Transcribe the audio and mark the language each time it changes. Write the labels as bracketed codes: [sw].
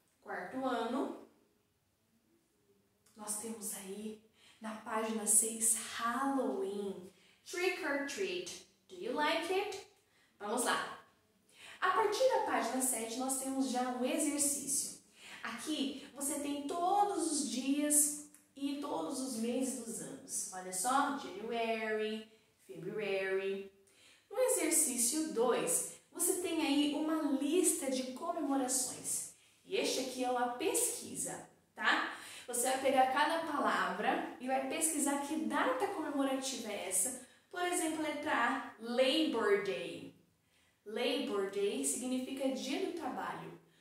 [pt] Quarto ano, nós temos aí na página 6, Halloween. [en] Trick or treat. Do you like it? [pt] Vamos lá. A partir da página 7, nós temos já um exercício. Aqui você tem todos os dias e todos os meses dos anos. Olha só, January, February. No exercício 2, você tem aí uma lista de comemorações. E este aqui é uma pesquisa, tá? Você vai pegar cada palavra e vai pesquisar que data comemorativa é essa. Por exemplo, letra A, Labor Day. Labor Day significa dia do trabalho.